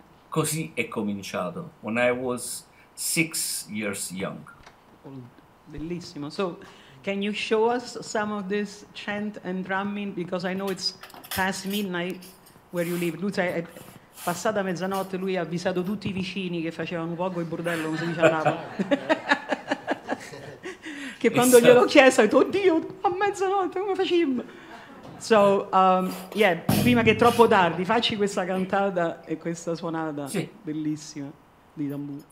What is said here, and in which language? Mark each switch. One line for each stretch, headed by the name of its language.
Italian: Così è cominciato,
English: when I was 6 years young.
Italian: Bellissimo.
English: So, can you show us some of this chant and drumming? Because I know it's past midnight where you live.
Italian: Passata mezzanotte lui ha avvisato tutti i vicini che facevano un poco il bordello, non si dice andava. Che quando glielo ho chiesto ha detto, oddio, a mezzanotte, come facciamo? So, prima che è troppo tardi, facci questa cantata e questa suonata bellissima di tamburo.